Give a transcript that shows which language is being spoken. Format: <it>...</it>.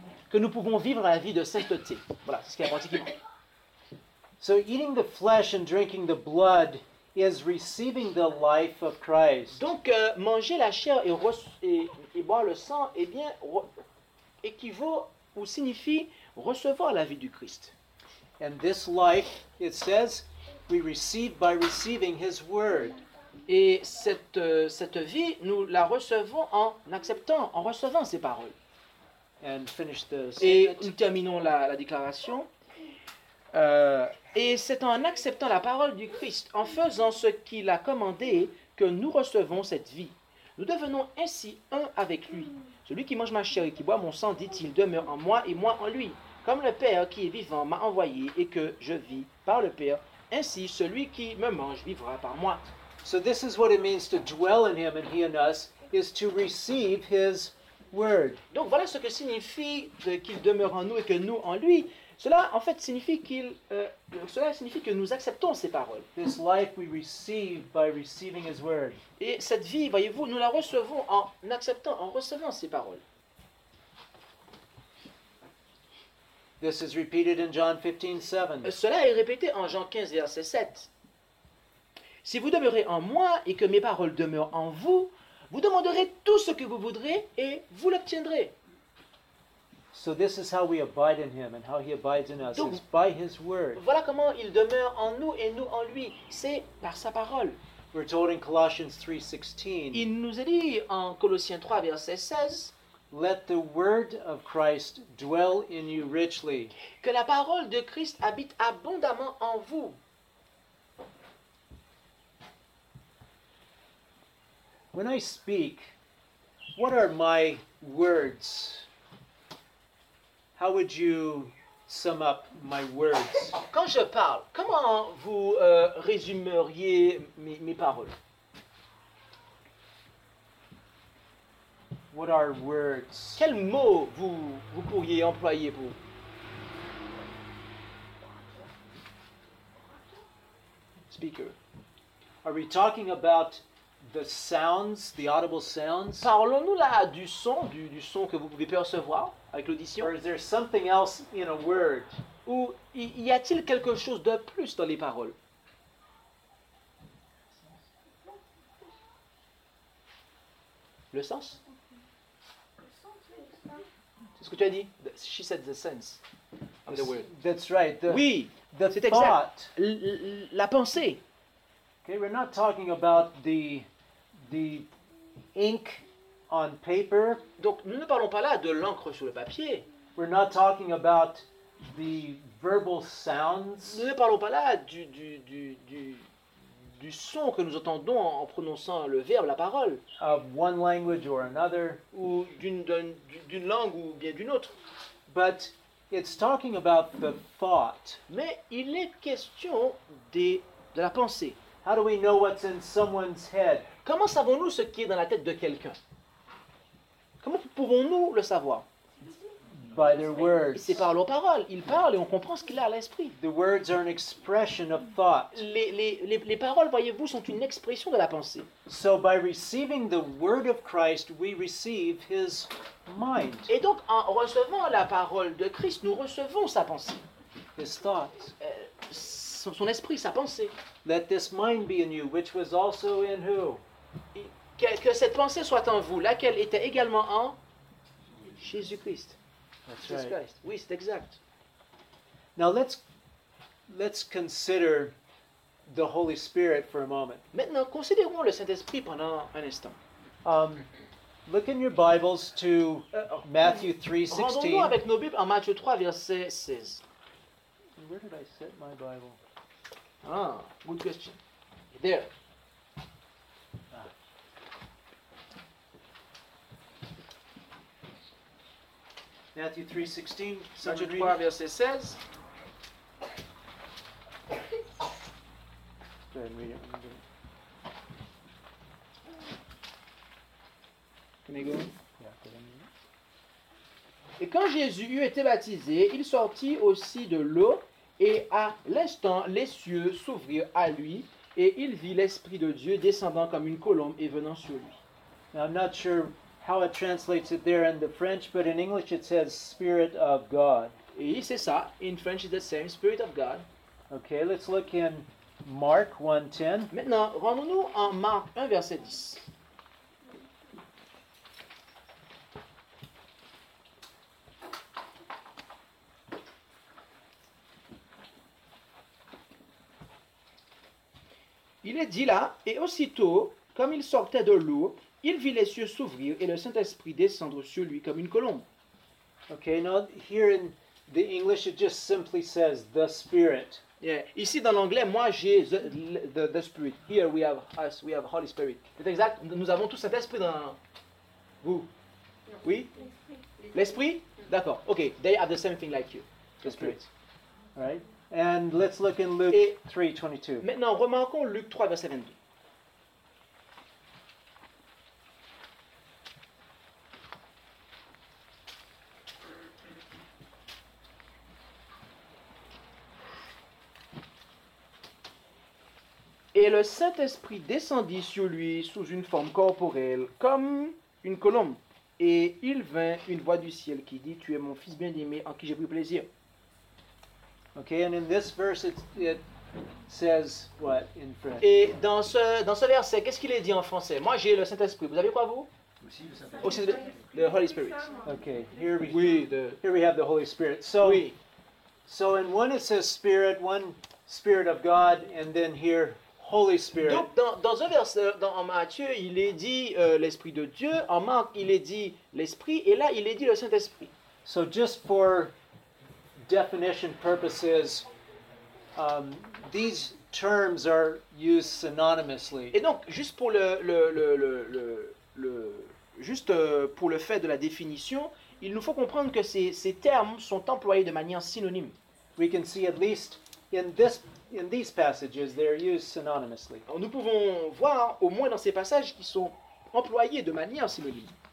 <fr>Que nous pouvons vivre la vie de sainteté. Voilà, c'est ce qu'il y a la partie qui manque.</fr> <en>So eating the flesh and drinking the blood is receiving the life of Christ.</en> <fr>Donc manger la chair et boire le sang, eh bien, équivaut ou signifie recevoir la vie du Christ.</fr> <en>And this life, it says, we receive by receiving His Word.</en> <fr>Et cette vie, nous la recevons en acceptant, en recevant ses paroles.</fr> <en>And finish the statement.</en> <fr>Et nous terminons la déclaration. Et c'est en acceptant la parole du Christ, en faisant ce qu'il a commandé, que nous recevons cette vie. Nous devenons ainsi un avec lui. Celui qui mange ma chair et qui boit mon sang, dit-il, demeure en moi et moi en lui. Comme le Père qui est vivant m'a envoyé et que je vis par le Père, ainsi celui qui me mange vivra par moi.</fr> <en>So this is what it means to dwell in him and he in us, is to receive his word.</en> <fr>Donc voilà ce que signifie qu'il demeure en nous et que nous en lui. Cela, en fait, signifie que nous acceptons ses paroles.</fr> <en>This life we receive by receiving his word.</en> <fr>Et cette vie, voyez-vous, nous la recevons en acceptant, en recevant ses paroles.</fr> <en>This is repeated in John 15:7.</en> <fr>Cela est répété en Jean 15, verset 7. Si vous demeurez en moi et que mes paroles demeurent en vous, vous demanderez tout ce que vous voudrez et vous l'obtiendrez.</fr> <en>So this is how we abide in him and how he abides in us.</en> <fr>Donc,</fr> <en>it's by his word.</en> <fr>Voilà comment il demeure en nous et nous en lui. C'est par sa parole.</fr> <en>We're told in Colossians 3:16.</en> <fr>Il nous est dit en Colossiens 3, verset 16.</fr> <en>Let the word of Christ dwell in you richly.</en> <fr>Que la parole de Christ habite abondamment en vous.</fr> <en>When I speak, what are my words? How would you sum up my words?</en> <fr>Quand je parle, comment vous résumeriez mes paroles?</fr> <en>What are words?</en> <fr>Quel mot vous pourriez employer pour?</fr> <en>Speaker. Are we talking about the sounds, the audible sounds?</en> <fr>Parlons-nous là du son que vous pouvez percevoir avec l'audition?</fr> <en>Or is there something else in a word?</en> <fr>Ou y a-t-il quelque chose de plus dans les paroles? Le sens? C'est ce que tu as dit.</fr> <en>She said the sense of the word. That's right.</en> <fr>C'est exact.</fr> <en>Thought.</en> <fr>La pensée.</fr> <en>Okay, we're not talking about the ink on paper.</en> <fr>Donc nous ne parlons pas là de l'encre sur le papier.</fr> <en>We're not talking about the verbal sounds.</en> <fr>Nous ne parlons pas là du son que nous entendons en prononçant le verbe, la parole.</fr> <en>Of one language or another.</en> <fr>Ou d'une langue ou bien d'une autre.</fr> <en>But it's talking about the thought.</en> <fr>Mais il est question de la pensée.</fr> <en>How do we know what's in someone's head?</en> <fr>Comment savons-nous ce qui est dans la tête de quelqu'un? Comment pouvons-nous le savoir?</fr> <en>by their words.</en> <fr>C'est par leurs paroles. Ils parlent et on comprend ce qu'il a à l'esprit.</fr> <en>The words are an expression of thought.</en> <fr>Les paroles, voyez-vous, sont une expression de la pensée.</fr> <en>So by receiving the word of Christ, we receive his mind.</en> <fr>Et donc, en recevant la parole de Christ, nous recevons sa pensée.</fr> <en>His thought.</en> <fr>Son esprit, sa pensée.</fr> <en>Let this mind be in you, which was also in who?</en> <fr>Que cette pensée soit en vous, laquelle était également en Jésus-Christ.</fr> <en>That's Jesus right.</en> <fr>Christ. Oui, c'est exact.</fr> <en>Now let's consider the Holy Spirit for a moment.</en> <fr>Maintenant, considérons le Saint-Esprit pendant un instant.</fr> <en>Look in your Bibles to Matthew 3:16.</en> <fr>Rendons-nous avec nos Bibles en Matthieu 3, verset 16.</fr> <en>Where did I set my Bible? Ah, good question. There.</en> <fr>Matthieu 3:16, Matthieu 3, verset 16.</fr> <en>Can I go?</en> <fr>Et quand Jésus eut été baptisé, il sortit aussi de l'eau, et à l'instant, les cieux s'ouvrirent à lui, et il vit l'Esprit de Dieu descendant comme une colombe et venant sur lui.</fr> <en>Now, I'm not sure how it translates it there in the French, but in English it says Spirit of God.</en> <fr>Et c'est ça.</fr> <en>In French it's the same, Spirit of God. Okay, let's look in Mark 1:10.</en> <fr>Maintenant, rendons-nous en Marc 1, verset 10. Il est dit là, et aussitôt, comme il sortait de l'eau, il vit les cieux s'ouvrir et le Saint-Esprit descendre sur lui comme une colombe.</fr> <en>Okay, now here in the English it just simply says the Spirit. Yeah,</en> <fr>ici dans l'anglais, moi j'ai</fr> <en>the Spirit. Here we have us, we have Holy Spirit.</en> <fr>C'est exact, nous avons tout Saint-Esprit dans vous. Oui? L'Esprit?</fr> <en>D'accord, okay, they have the same thing like you, the okay. Spirit. All right, and let's look in Luke 3:22.</en> <fr>Maintenant, remarquons Luc 3, verset 22. Et le Saint-Esprit descendit sur lui sous une forme corporelle, comme une colombe. Et il vint une voix du ciel qui dit, tu es mon fils bien-aimé en qui j'ai pris plaisir.</fr> <en>Okay, and in this verse it says what in French?</en> <fr>Et dans ce verset, qu'est-ce qu'il est dit en français? Moi j'ai le Saint-Esprit. Vous avez quoi vous? Aussi le Saint-Esprit.</fr> <en>The Holy Spirit. Okay, here we have the Holy Spirit. So,</en> <fr>oui.</fr> <en>So in one it says Spirit, one Spirit of God, and then here Holy Spirit.</en> <fr>Donc, dans un verset, en Matthieu, il est dit l'Esprit de Dieu. En Marc, il est dit l'Esprit. Et là, il est dit le Saint-Esprit.</fr> <en>So, just for definition purposes, these terms are used synonymously.</en> <fr>Et donc, juste pour le fait de la définition, il nous faut comprendre que ces termes sont employés de manière synonyme.</fr> <en>We can see at least in this. In these passages, they're used synonymously.</en> <fr>Nous pouvons voir au moins dans ces passages qui sont employés de manière synonyme.</fr>